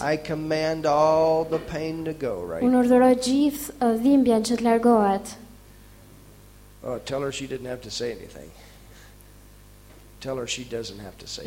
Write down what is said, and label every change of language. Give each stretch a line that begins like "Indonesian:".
English: I command all the pain to go right.
Albanian: Unë urdhëroj gjithë dhimbjen që të largohet.
English: Oh, tell her she didn't have to say anything. Tell her she doesn't have to say.